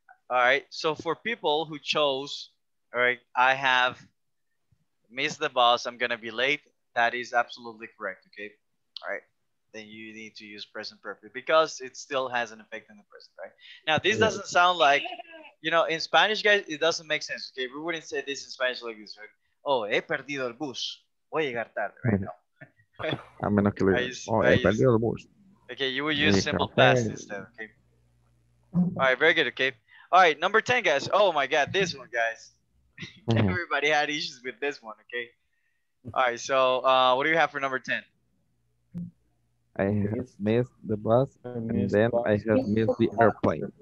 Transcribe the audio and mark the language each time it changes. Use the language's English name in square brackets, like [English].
[English] All right, so for people who chose, all right, I have missed the bus, I'm gonna be late, that is absolutely correct, okay? All right, then you need to use present perfect because it still has an effect on the present, right? Now, this doesn't sound like, you know, in Spanish, guys, it doesn't make sense, okay? We wouldn't say this in Spanish like this. Like, oh, [Spanish] he perdido el bus. Voy a llegar tarde [English] right now. [Spanish] A menos que le diga, oh, he perdido el bus. [English] Okay, you would use simple past instead, okay? All right, very good, okay? All right, number 10, guys. Oh, my God, this one, guys. Everybody had issues with this one, okay? All right, so what do you have for number 10? I have missed the bus, and then I have missed the airplane.